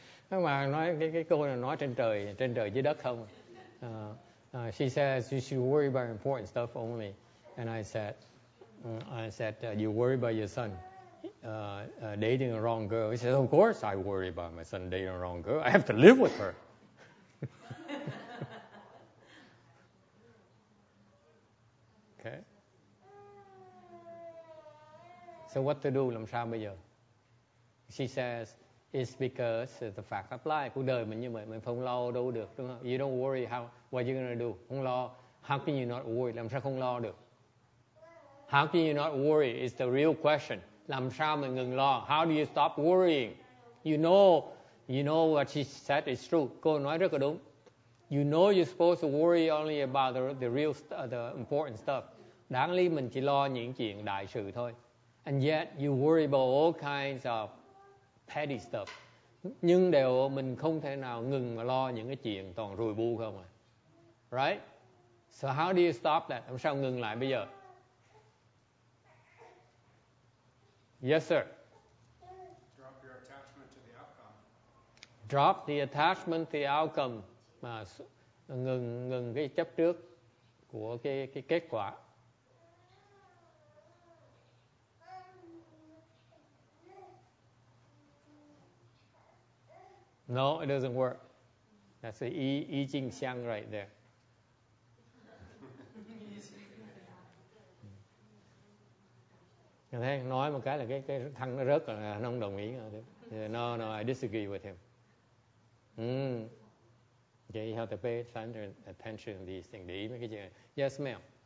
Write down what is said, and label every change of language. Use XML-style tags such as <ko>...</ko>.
<vi>Nhưng mà nói cái câu này nói trên trời dưới đất không?</vi> <en>She says you should worry about important stuff only, and I said. You worry about your son dating the wrong girl. He says, of course I worry about my son dating the wrong girl. I have to live with her. Okay. So what to do?</en> <vi>Làm sao bây giờ?</vi> <en>She says, it's because of the fact of life.</en> <vi>Cuộc đời mình như vậy, mình không lo đâu được. Đúng không?</vi> <en>You don't worry how what you're going to do.</en> <vi>Không lo.</vi> <en>How can you not worry?</en> <vi>Làm sao không lo được?</vi> <en>How can you not worry is the real question.</en> <vi>Làm sao mình ngừng lo?</vi> <en>How do you stop worrying? You know what she said is true.</en> <vi>Cô nói rất là đúng.</vi> <en>You know you're supposed to worry only about the important stuff.</en> <vi>Đáng lý mình chỉ lo những chuyện đại sự thôi.</vi> <en>And yet you worry about all kinds of petty stuff.</en> <vi>Nhưng đều mình không thể nào ngừng mà lo những cái chuyện toàn rùi bu không à.</vi> <en>Right? So how do you stop that?</en> <vi>Làm sao ngừng lại bây giờ?</vi> <en>Yes, sir. Drop your attachment to the outcome. Drop the attachment to the outcome.</en> <vi>Mà ngừng cái chấp trước của cái kết quả.</vi> <en>No, it doesn't work. That's the Yi Jing Xiang right there.</en> <vi>Nghe thấy nói một cái là cái thằng nó rớt rồi, nó không đồng ý rồi.</vi> <en>No, I disagree with him. Okay, you have to pay center attention to these things.</en> <vi>Để ý mấy cái chuyện.</vi> <en>Yes, ma'am.</en>